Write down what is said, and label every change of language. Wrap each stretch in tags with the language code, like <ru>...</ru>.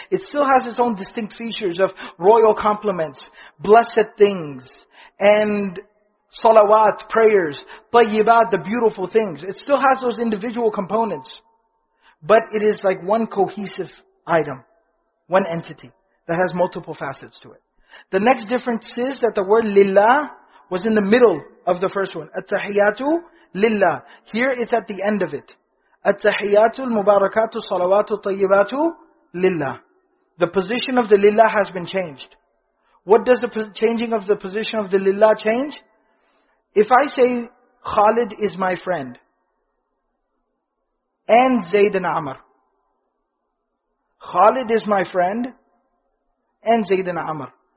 <en>It still has its own distinct features of royal compliments, blessed things, and salawat, prayers, tayyibat, the beautiful things. It still has those individual components. But it is like one cohesive item, one entity that has multiple facets to it. The next difference is that the word lillah was in the middle of the first one.</en> <ar>At-tahiyyatu lillah.</ar> <en>Here it's at the end of it.</en> <ar>التحيات المباركات الصلوات الطيبات لله.</ar> <en>The position of the لله has been changed. What does the changing of the position of the لله change? If I say Khalid is my friend and Zayd and Amr. Khalid is my friend and Zayd and Amr.</en>